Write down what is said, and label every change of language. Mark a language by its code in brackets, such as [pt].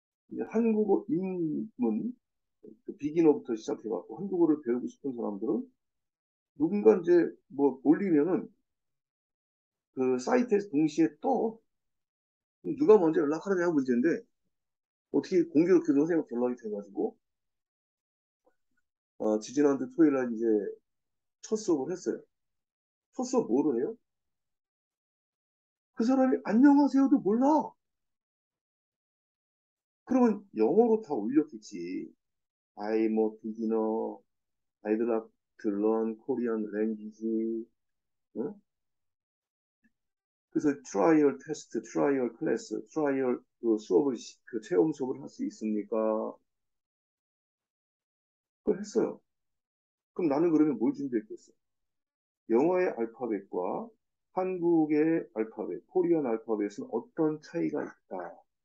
[ko] 이제 한국어 입문, 그 비기너부터 시작해갖고, 한국어를 배우고 싶은 사람들은, 누군가 이제 뭐 올리면은, 그 사이트에서 동시에 또 누가 먼저 연락하느냐가 문제인데 어떻게 공교롭게도 선생님 연락이 돼가지고 지지난주 토요일 날 이제 첫 수업을 했어요. 첫 수업 뭐로 해요? 그 사람이 안녕하세요도 몰라. 그러면 영어로 다 올렸겠지. [en] I'm a beginner. I'd like to learn Korean language. [ko] 응? 그래서 트라이얼 테스트, 트라이얼 클래스, 트라이얼 그 수업을 그 체험 수업을 할수 있습니까? 그걸 했어요. 그럼 나는 그러면 뭘 준비했겠어? 영어의 알파벳과 한국의 알파벳, 코리안 알파벳은 어떤 차이가 있다?